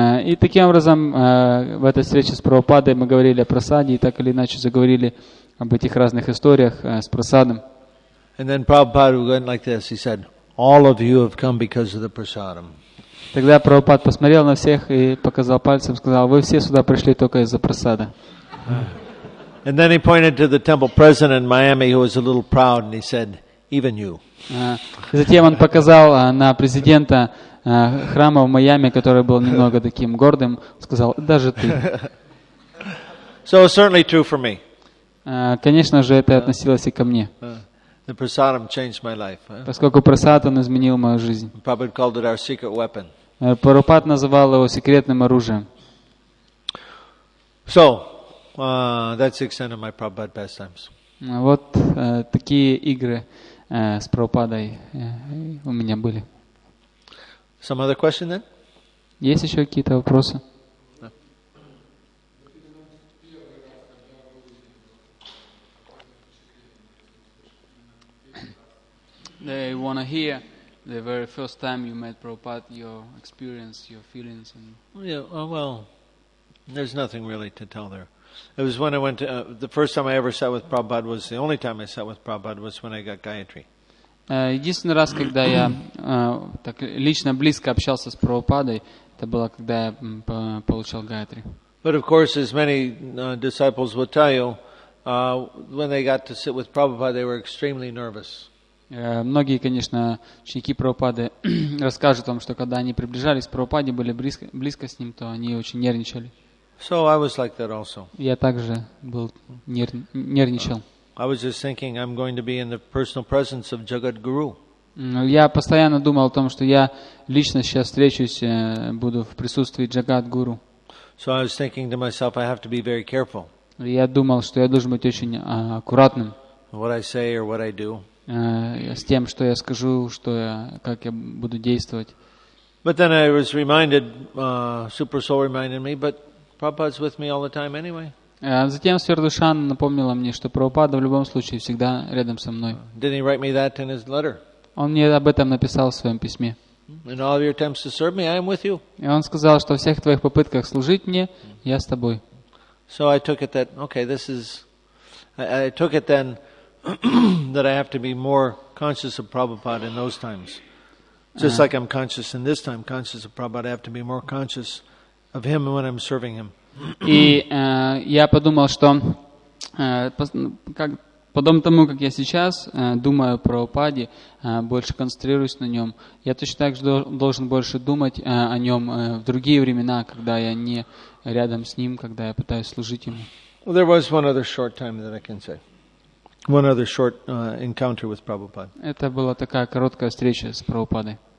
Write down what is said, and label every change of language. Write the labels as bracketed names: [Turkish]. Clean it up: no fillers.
[Russian] И таким образом в этой встрече с Прабхупадой мы говорили о прасаде и так или иначе заговорили об этих разных историях с прасадом. [English] And then Prabhupada went like this. He said, "All of you have come because of the prasadam." [Russian] Тогда Прабхупад посмотрел на всех и показал пальцем, сказал: "Вы все сюда пришли только из-за прасада." [English] And then he pointed to the temple president in Miami, who was a little proud, and he said, "Even you." [Russian] Затем он показал на президента храма в Майами, который был немного таким гордым, сказал: "Даже ты." [English] So certainly true for me. [Russian] Конечно же, это относилось и ко мне. [English] The prasadam changed my life. [Russian] Поскольку прасад он изменил мою жизнь. [English] Prabhupada called it our secret weapon. [Russian] Прабхупад называл его секретным оружием. [English] So. That's the extent of my Prabhupada pastimes. [Russian] Вот такие игры с Прабхупадой у меня были. [English] Some other question then? [Russian] Есть еще какие-то вопросы? [English] They want to hear the very first time you met Prabhupada, your experience, your feelings. And yeah. Oh, well, there's nothing really to tell there. It was when I went to the first time I ever sat with Prabhupada was the only time I sat with Prabhupada was when I got Gayatri. [Russian] Единственный раз, когда я так лично близко общался с Прабхупадой, это было когда я получал Гаятри. [English] But of course, as many disciples will tell you, when they got to sit with Prabhupada, they were extremely nervous. [Russian] Многие, конечно, ученики Прабхупады расскажут о том, что когда они приближались к Прабхупаде, были близко с ним, то они очень нервничали. [English] So I was like that also. [Russian] Я также был нервничал. [English] I was just thinking I'm going to be in the personal presence of Jagadguru. [Russian] Я постоянно думал о том, что я лично сейчас встречусь, буду в присутствии Джагадгуру. [English] So I was thinking to myself, I have to be very careful. [Russian] Я думал, что я должен быть очень аккуратным. [English] What I say or what I do. [Russian] С тем, что я скажу, что я, как я буду действовать. [English] But then I was reminded, Super Soul reminded me, but Prabhupada's with me all the time anyway. [Russian] Затем Свердушан напомнила мне, что Прабхупада в любом случае всегда рядом со мной. [English] Didn't he write me that in his letter? [Russian] Он мне об этом написал в своем письме. [English] In all of your attempts to serve me, I am with you. [Russian] И он сказал, что во всех твоих попытках служить мне, я с тобой. [English] So I took it that okay, this is. I took it then that I have to be more conscious of Prabhupada in those times, just like I'm conscious in this time, conscious of Prabhupada. I have to be more conscious of him when I'm serving him. [Russian] И я подумал, что как подобно тому, как я сейчас думаю о Прабхупаде, больше концентрируюсь на нем, я точно так же должен больше думать о нем в другие времена, когда я не рядом с ним, когда я пытаюсь служить ему. [English] Well, there was one other short time that I can say. One other short encounter with Prabhupada. [Russian] Это была такая короткая встреча с Прабхупадой.